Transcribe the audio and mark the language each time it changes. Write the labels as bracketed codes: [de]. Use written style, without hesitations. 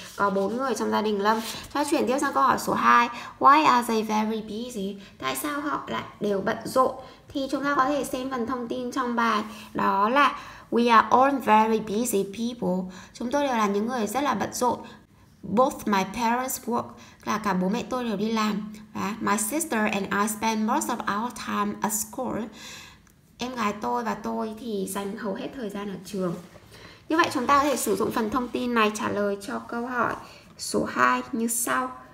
[vi] Có 4 người trong gia đình Lâm. Ta chuyển tiếp sang câu hỏi số 2. [en] Why are they very busy? [vi] Tại sao họ lại đều bận rộn? Thì chúng ta có thể xem phần thông tin trong bài, đó là [en] we are all very busy people. [vi] Chúng tôi đều là những người rất là bận rộn. [en] Both my parents work, [vi] là cả bố mẹ tôi đều đi làm. Và [en] my sister and I spend most of our time at school. [vi] Em gái tôi và tôi thì dành hầu hết thời gian ở trường. Như vậy chúng ta có thể sử dụng phần thông tin này trả lời cho câu hỏi số 2 như sau.